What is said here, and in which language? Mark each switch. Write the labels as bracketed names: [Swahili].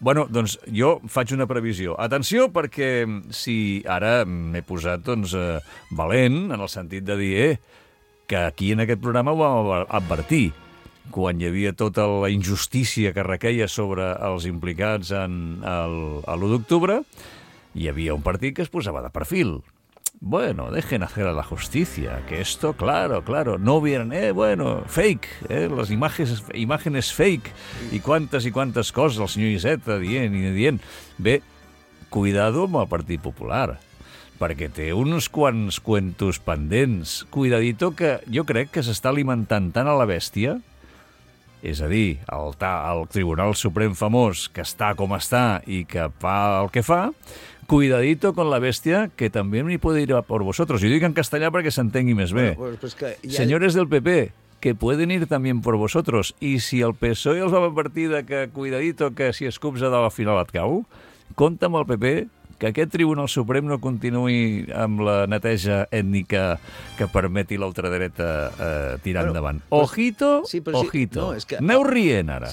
[Catalan] Bueno, doncs jo faig una previsió. Atenció, perquè si ara m'he posat valent en el sentit de dir que aquí en aquest programa ho vam advertir quan hi havia tota la injustícia que requeia sobre els implicats en l'1 d'octubre, hi havia un partit que es posava de perfil. [Spanish] Bueno, dejen hacer a la justicia, que esto, claro, no vieron, fake, las imágenes fake, y cuántas cosas, el señor Iceta dient. [Catalan] Bé, cuidado amb el Partit Popular, perquè té uns quants cuentos pendents. Cuidadito, que jo crec que s'està alimentant tant a la bèstia, és a dir, el Tribunal Suprem famós, que està com està i que fa el que fa, [Spanish] cuidadito con la bestia, que també m'hi puede ir a por vosotros. [Catalan] Jo dic en castellà perquè s'entengui més bé. [Spanish] Bueno, pues que ya... [Catalan] Senyores del PP, que pueden ir també por vosotros. I si el PSOE els va advertir que cuidadito, que si escups a dalt al final et cau, compta amb el PP, que aquest Tribunal Suprem no continuï amb la neteja ètnica que permeti l'ultradreta tirar endavant. Ojito, sí, però ojito. Sí, no, és que, aneu rient, ara.